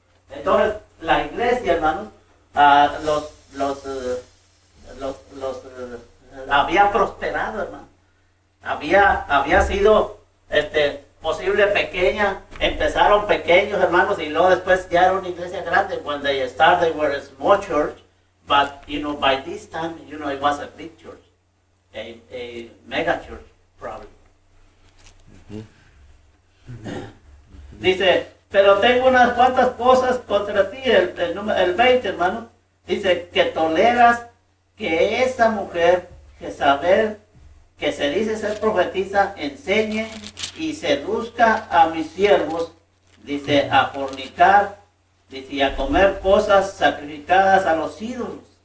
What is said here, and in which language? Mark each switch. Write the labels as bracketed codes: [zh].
[es] Entonces, la iglesia, hermanos, había prosperado, hermano. Había sido, posible pequeña. Empezaron pequeños, hermanos, y luego después ya era una iglesia grande. [en] When they started, they were a small church, but, you know, by this time, you know, it was a big church, a mega church, probably. [es] Dice, pero tengo unas cuantas cosas contra ti, el 20, hermano. Dice, que toleras que esa mujer, Jezabel, que se dice ser profetisa, enseñe y seduzca a mis siervos, dice, a fornicar, dice, y a comer cosas sacrificadas a los ídolos.